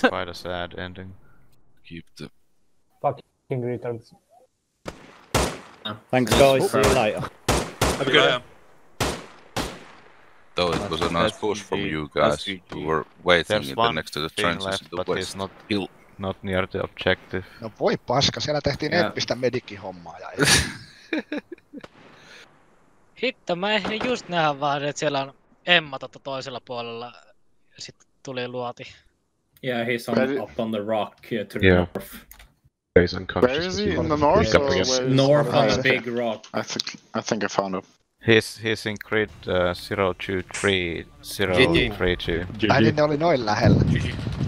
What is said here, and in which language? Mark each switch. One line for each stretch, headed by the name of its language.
English: Quite a sad ending. Keep the... Fucking returns. Thanks, guys. See you later. Though it was a nice push from you guys, who were waiting in the next to the trenches left, in the west. Not near the objective.
Finnish: No voi paska, siellä tehtiin eppistä medikin hommaa ja... Hitto, mä ehdin just nähdä vaan, että siellä on Emma toisella puolella, ja sitten tuli luoti.
English: Yeah, he's on, up on the rock to the north. Yeah, he's unconscious. Where is he? In the north? Or where is north on the big rock. I think I found him. He's in crit 023, 032. I didn't only know it, la hell. GG.